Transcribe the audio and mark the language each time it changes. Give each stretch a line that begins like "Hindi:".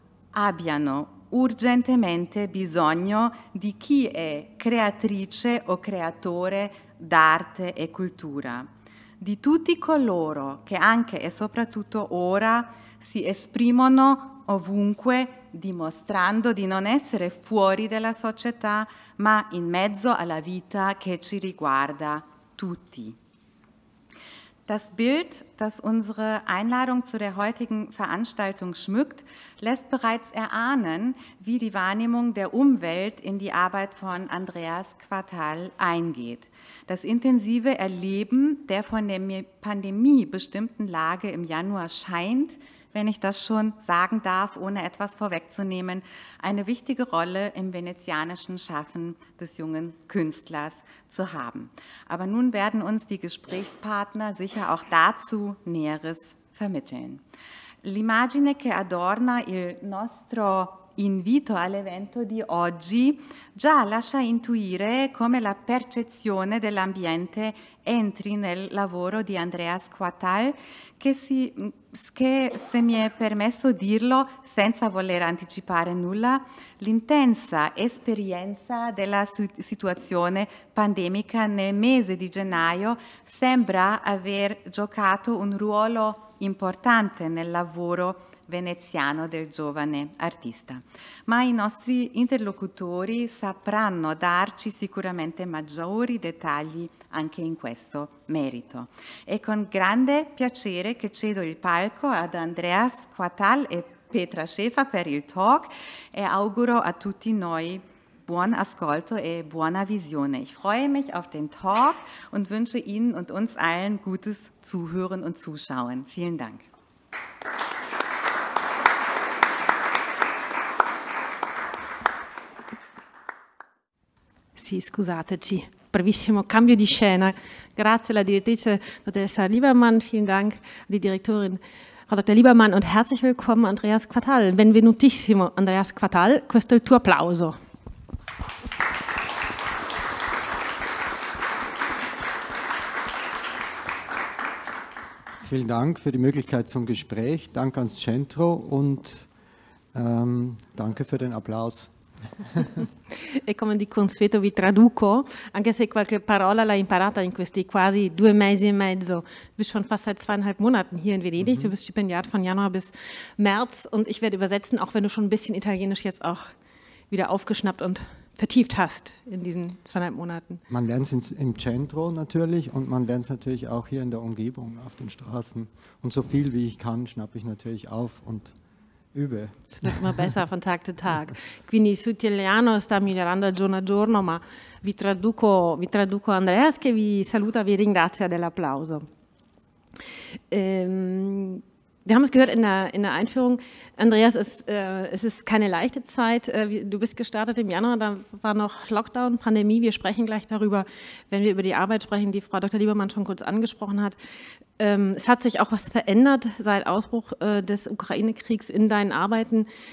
Italian: abbiano urgentemente bisogno di chi è creatrice o creatore d'arte e cultura, di tutti coloro che anche e soprattutto ora si esprimono ovunque dimostrando di non essere fuori della società, ma in mezzo alla vita che ci riguarda tutti.
German: Das Bild, das unsere Einladung zu der heutigen Veranstaltung schmückt, lässt bereits erahnen, wie die Wahrnehmung der Umwelt in die Arbeit von Andreas Quartal eingeht. Das intensive Erleben der von der Pandemie bestimmten Lage im Januar scheint, wenn ich das schon sagen darf, ohne etwas vorwegzunehmen, eine wichtige Rolle im venezianischen Schaffen des jungen Künstlers zu haben. Aber nun werden uns die Gesprächspartner sicher auch dazu Näheres vermitteln.
Italian: L'immagine che adorna il nostro invito all'evento di oggi già lascia intuire come la percezione dell'ambiente entri nel lavoro di Andreas Quartal, che se mi è permesso dirlo senza voler anticipare nulla, l'intensa esperienza della situazione pandemica nel mese di gennaio sembra aver giocato un ruolo importante nel lavoro veneziano del giovane artista. Ma i nostri interlocutori sapranno darci sicuramente maggiori dettagli anche in questo merito. È con grande piacere che cedo il palco ad Andreas Quartal e Petra Schäfer per il talk e auguro a tutti noi buon ascolto e buona visione.
German: Ich freue mich auf den Talk und wünsche Ihnen und uns allen gutes Zuhören und Zuschauen. Vielen Dank.
Italian: Sì, scusateci, brevissimo cambio di scena. Grazie alla direttrice Dottoressa Liebermann,
German: vielen Dank
Italian: alla direttorin Dottor Liebermann
German: und herzlich willkommen
Italian: Andreas Quartal. Benvenutissimo Andreas Quartal, questo è il tuo applauso.
German: Vielen Dank für die Möglichkeit zum Gespräch. Dank ans Centro und danke für den Applaus.
Italian: E come di consueto vi traduco, anche se qualche parola l'hai imparata in questi quasi due mesi e mezzo.
German: Bist schon fast seit zweieinhalb Monaten hier in Venedig. Mm-hmm. Du bist Stipendiat von Januar bis März und ich werde übersetzen, auch wenn du schon ein bisschen Italienisch jetzt auch wieder aufgeschnappt und vertieft hast in diesen zweieinhalb Monaten. Man lernt es im Centro natürlich und man lernt es natürlich auch hier in der Umgebung, auf den Straßen. Und so viel wie ich kann, schnappe ich natürlich auf und übe. Es wird immer besser von Tag zu Tag.
Italian: Quindi su italiano sta migliorando giorno a giorno, ma vi traduco Andreas, che vi saluta, vi ringrazia dell'applauso.
German: Wir haben es gehört in der Einführung, Andreas, es ist keine leichte Zeit. Du bist gestartet im Januar, da war noch Lockdown, Pandemie. Wir sprechen gleich darüber, wenn wir über die Arbeit sprechen, die Frau Dr. Liebermann schon kurz angesprochen hat. Es hat sich auch was verändert seit Ausbruch des Ukraine-Kriegs in deinen Arbeiten.